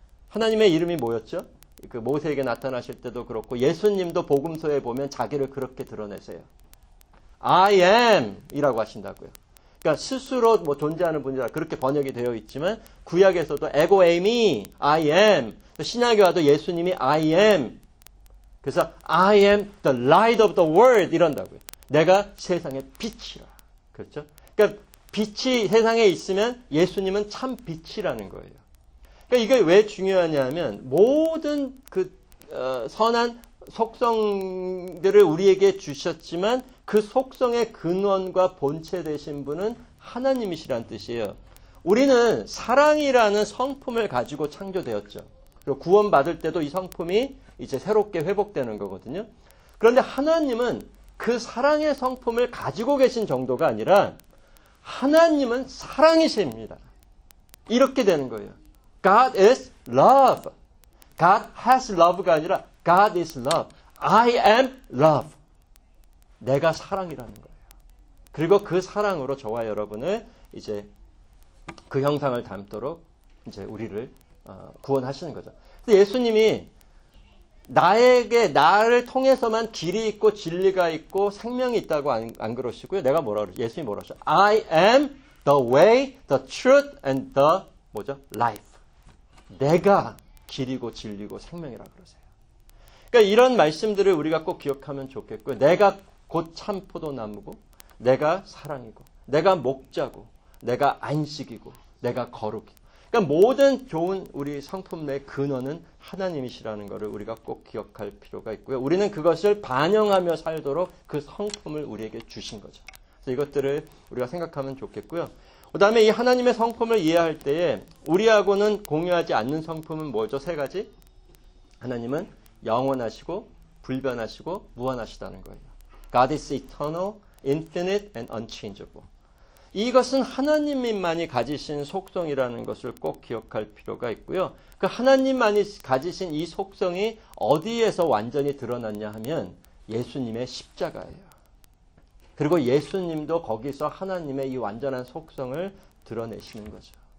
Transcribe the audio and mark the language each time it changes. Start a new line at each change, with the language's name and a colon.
Korean: 하나님의 이름이 뭐였죠? 그 모세에게 나타나실 때도 그렇고 예수님도 복음서에 보면 자기를 그렇게 드러내세요.
English: I am
Korean: 이라고 하신다고요. 그러니까 스스로 뭐 존재하는 분이라 그렇게 번역이 되어 있지만 구약에서도
English: Ego Eimi, I am.
Korean: 신약에 와도 예수님이
English: I am.
Korean: 그래서
English: I am the light of the world
Korean: 이런다고요. 내가 세상의 빛이라. 그렇죠? 그러니까 빛이 세상에 있으면 예수님은 참 빛이라는 거예요. 그러니까 이게 왜 중요하냐면 모든 그 선한 속성들을 우리에게 주셨지만 그 속성의 근원과 본체 되신 분은 하나님이시란 뜻이에요. 우리는 사랑이라는 성품을 가지고 창조되었죠. 그리고 구원받을 때도 이 성품이 이제 새롭게 회복되는 거거든요. 그런데 하나님은 그 사랑의 성품을 가지고 계신 정도가 아니라 하나님은 사랑이십니다. 이렇게 되는 거예요.
English: God is love. God has love
Korean: 가 아니라
English: God is love. I am love.
Korean: 내가 사랑이라는 거예요. 그리고 그 사랑으로 저와 여러분을 이제 그 형상을 닮도록 이제 우리를 구원하시는 거죠. 예수님이 나에게 나를 통해서만 길이 있고 진리가 있고 생명이 있다고 안 그러시고요. 내가 뭐라 그러죠? 예수님이 뭐라 하죠?
English: I am the way, the truth and the
Korean: 뭐죠?
English: life.
Korean: 내가 길이고 진리고 생명이라 그러세요. 그러니까 이런 말씀들을 우리가 꼭 기억하면 좋겠고요. 내가 곧 참 포도나무고 내가 사랑이고 내가 목자고 내가 안식이고 내가 거룩이고 그러니까 모든 좋은 우리 성품의 근원은 하나님이시라는 것을 우리가 꼭 기억할 필요가 있고요. 우리는 그것을 반영하며 살도록 그 성품을 우리에게 주신 거죠. 그래서 이것들을 우리가 생각하면 좋겠고요. 그 다음에 이 하나님의 성품을 이해할 때에 우리하고는 공유하지 않는 성품은 뭐죠? 세 가지? 하나님은 영원하시고 불변하시고 무한하시다는 거예요.
English: God is eternal, infinite and unchangeable.
Korean: 이것은 하나님만이 가지신 속성이라는 것을 꼭 기억할 필요가 있고요. 그 하나님만이 가지신 이 속성이 어디에서 완전히 드러났냐 하면 예수님의 십자가예요. 그리고 예수님도 거기서 하나님의 이 완전한 속성을 드러내시는 거죠.